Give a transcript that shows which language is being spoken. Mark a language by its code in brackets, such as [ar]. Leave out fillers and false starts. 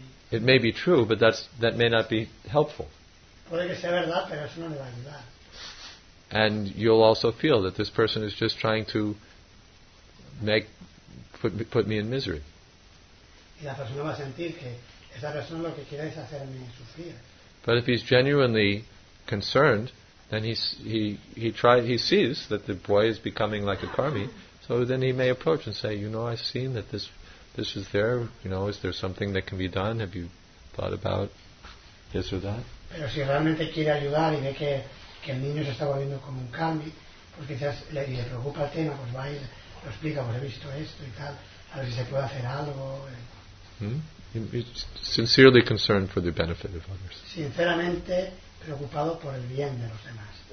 [en] It may be true, but that may not be helpful. [es] Puede que sea verdad, pero eso no le va a ayudar. [en] And you'll also feel that this person is just trying to put me in misery. [es] Y la persona va a sentir que esa persona lo que quiere es hacerme sufrir. [en] But if he's genuinely concerned, then he sees that the boy is becoming like a karmi, so then he may approach and say, you know, I've seen that this is there, you know, is there something that can be done? Have you thought about this or that? [es] Pero si realmente quiere ayudar y ve que el niño se está volviendo como un karmi, pues quizás le preocupa el tema, pues va y lo explica, pues he visto esto y tal, a ver si se puede hacer algo. [en] He's sincerely concerned for the benefit of others. [es] Sinceramente preocupado por el bien de los demás.